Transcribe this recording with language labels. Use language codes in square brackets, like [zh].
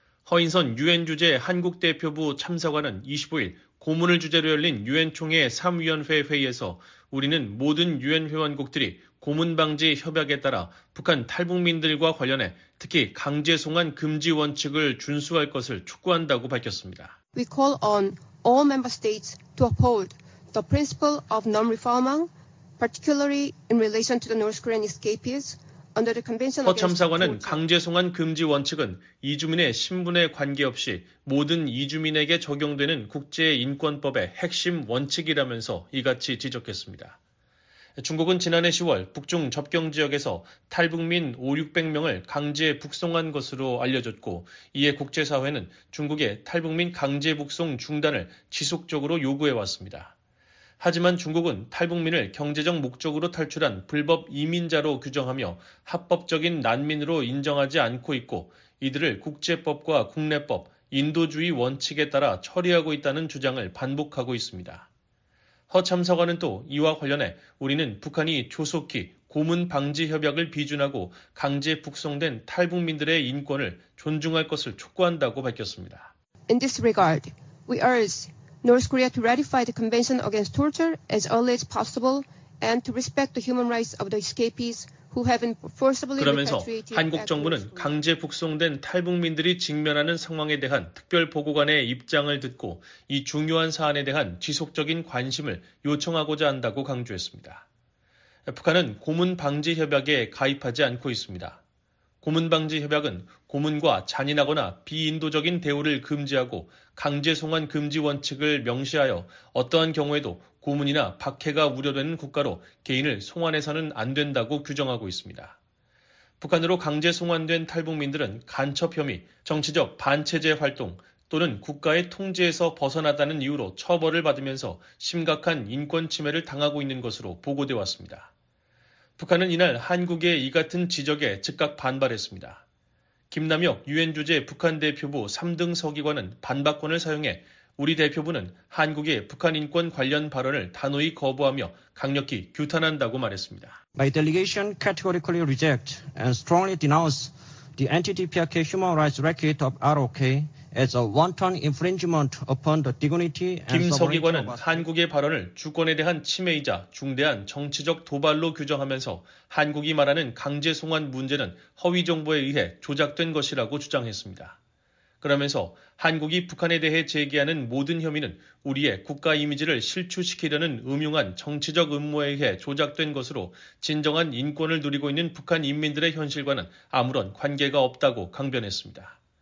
[ko] 허인선 유엔 주재 한국 대표부 참사관은 25일 고문을 주제로 열린 유엔 총회 3위원회 회의에서 우리는 모든 유엔 회원국들이 고문 방지 협약에 따라 북한 탈북민들과 관련해 특히 강제 송환 금지 원칙을 준수할 것을 촉구한다고 밝혔습니다. [en] We call on all member states to uphold the principle of non-refoulement, particularly in relation to the North Korean escapees under the Convention. [ko] 허 참사관은 강제 송환 금지 원칙은 이주민의 신분에 관계없이 모든 이주민에게 적용되는 국제 인권법의 핵심 원칙이라면서 이같이 지적했습니다. 중국은 지난해 10월 북중 접경 지역에서 탈북민 5,600명을 강제 북송한 것으로 알려졌고 이에 국제사회는 중국의 탈북민 강제 북송 중단을 지속적으로 요구해왔습니다. 하지만 중국은 탈북민을 경제적 목적으로 탈출한 불법 이민자로 규정하며 합법적인 난민으로 인정하지 않고 있고 이들을 국제법과 국내법, 인도주의 원칙에 따라 처리하고 있다는 주장을 반복하고 있습니다. 허 참사관은 또 이와 관련해 우리는 북한이 조속히 고문 방지 협약을 비준하고 강제 북송된 탈북민들의 인권을 존중할 것을 촉구한다고 밝혔습니다. [en] In this regard, we urge North Korea to ratify the Convention Against Torture as early as possible and to respect the human rights of the escapees who have been forcibly repatriated. [ko] 그러면서 한국 정부는 강제 북송된 탈북민들이 직면하는 상황에 대한 특별보고관의 입장을 듣고 이 중요한 사안에 대한 지속적인 관심을 요청하고자 한다고 강조했습니다. 북한은 고문 방지 협약에 가입하지 않고 있습니다. 고문 방지 협약은 고문과 잔인하거나 비인도적인 대우를 금지하고 강제 송환 금지 원칙을 명시하여 어떠한 경우에도 고문이나 박해가 우려되는 국가로 개인을 송환해서는 안 된다고 규정하고 있습니다. 북한으로 강제 송환된 탈북민들은 간첩 혐의, 정치적 반체제 활동 또는 국가의 통제에서 벗어나다는 이유로 처벌을 받으면서 심각한 인권 침해를 당하고 있는 것으로 보고돼 왔습니다. 북한은 이날 한국의 이 같은 지적에 즉각 반발했습니다. 김남혁 유엔 주재 북한 대표부 3등 서기관은 반박권을 사용해 우리 대표부는 한국의 북한 인권 관련 발언을 단호히 거부하며 강력히 규탄한다고 말했습니다. [en] My delegation categorically reject and strongly denounce the anti-TPRK human rights racket of ROK as a wanton infringement upon the dignity and [ko] 김 서기관은 한국의 발언을 주권에 대한 침해이자 중대한 정치적 도발로 규정하면서 한국이 말하는 강제 송환 문제는 허위 정보에 의해 조작된 것이라고 주장했습니다. 그러면서 한국이 북한에 대해 제기하는 모든 혐의는 우리의 국가 이미지를 실추시키려는 음흉한 정치적 음모에 의해 조작된 것으로 진정한 인권을 누리고 있는 북한 인민들의 현실과는 아무런 관계가 없다고 강변했습니다.